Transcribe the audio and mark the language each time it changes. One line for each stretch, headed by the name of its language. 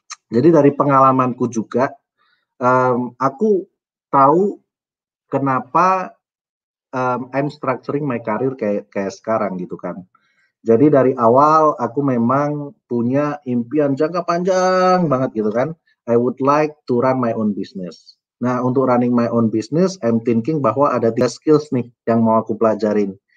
Indonesian: Jadi dari pengalamanku juga, aku tahu kenapa
English: I'm structuring my career
Indonesian: kayak sekarang gitu kan. Jadi dari awal aku memang punya impian jangka panjang banget gitu kan.
English: I would like to run my own business.
Indonesian: Nah untuk
English: running my own business, I'm thinking
Indonesian: bahwa ada 3 skills nih yang mau aku pelajarin.